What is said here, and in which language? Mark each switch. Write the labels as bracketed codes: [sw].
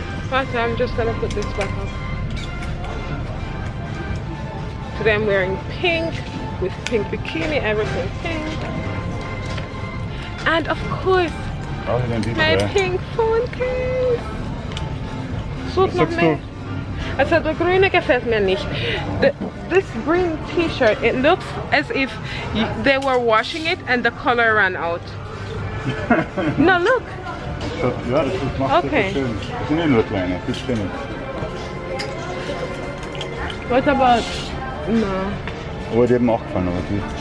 [de] Warte, [en] I'm just gonna put this back on. Today I'm wearing pink, with pink bikini, everything pink. And of course, my pink phone case. [de] Such noch mehr. Also, der grüne gefällt mir nicht. [en] This green t-shirt, it looks as if they were washing it and the color ran out. No, look. [de] Ja, das macht so schön. Das sind nur kleine, das stimmt. [en] What about? No. [de] Aber die haben auch gefallen, aber die.